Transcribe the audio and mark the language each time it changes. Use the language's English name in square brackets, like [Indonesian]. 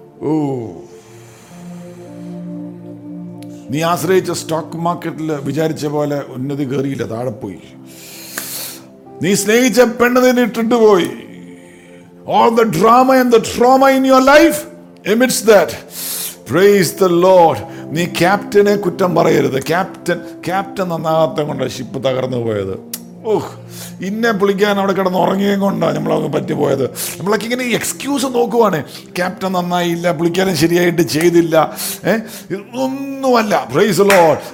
[Malayalam] ഓ, നീ ആശ്രയിച്ച സ്റ്റോക്ക് മാർക്കറ്റിൽ വിചാരിച്ച പോലെ ഉന്നതി കയറിയില്ല, താഴെ പോയി. നീ സ്നേഹിച്ച പെണ്ണിനെ ഇട്ടിട്ട് പോയി. [English] All the drama and the trauma in your life, amidst that, praise the Lord. [Malayalam] നീ ക്യാപ്റ്റനെ കുറ്റം പറയരുത്. ക്യാപ്റ്റൻ നന്നാകാത്ത കൊണ്ട് ഷിപ്പ് തകർന്നു പോയത്. ഓഹ്, ഇന്നെ പുളിക്കാൻ അവിടെ കിടന്ന് ഉറങ്ങിയും കൊണ്ടാണ് നമ്മളവങ്ങ് പറ്റിപ്പോയത്. നമ്മളൊക്കെ ഇങ്ങനെ എക്സ്ക്യൂസ് നോക്കുവാണ്, ക്യാപ്റ്റൻ നന്നായില്ല, പുളിക്കാനും ശരിയായിട്ട് ചെയ്തില്ല, ഒന്നുമല്ല. [English] Praise the lord.